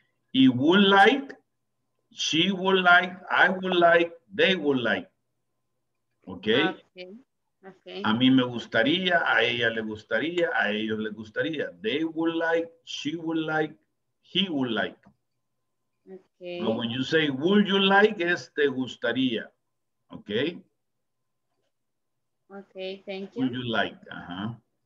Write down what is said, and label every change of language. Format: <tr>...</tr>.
<en>Y would like, she would like, I would like, they would like. Okay. Okay.</en> <es>A mí me gustaría, a ella le gustaría, a ellos le gustaría.</es> <en>They would like, she would like, he would like. Okay. But when you say would you like,</en> <es>es te gustaría.</es> <en>Okay. Okay, thank you. Would you like? Uh-huh.</en>